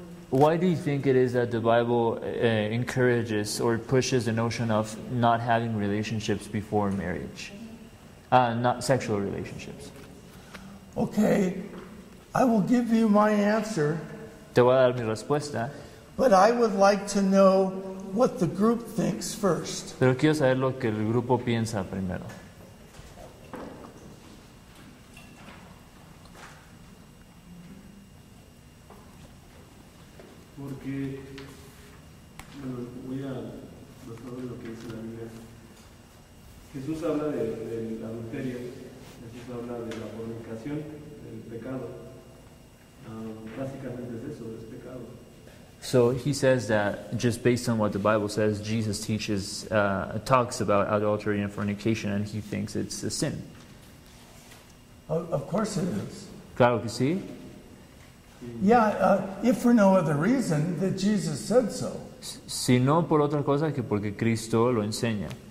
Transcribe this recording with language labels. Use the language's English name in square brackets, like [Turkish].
[English] Why do you think it is that the Bible encourages or pushes the notion of not having relationships before marriage? Not sexual relationships. Okay, I will give you my answer. [Spanish] Te voy a dar mi respuesta. [English] But I would like to know what the group thinks first. [Spanish] Pero quiero saber lo que el grupo piensa primero. Porque, bueno, voy a basarme en lo que dice la Biblia. Jesús habla de la adulterio, Jesús habla de la fornicación, del pecado. Básicamente es eso, es pecado. [English] So he says that just based on what the Bible says, Jesus teaches, talks about adultery and fornication, and he thinks it's a sin. Of course it is. [Spanish] Claro que sí. [English] Yeah, if for no other reason that Jesus said so. [Spanish] Si no por otra cosa que porque Cristo lo enseña.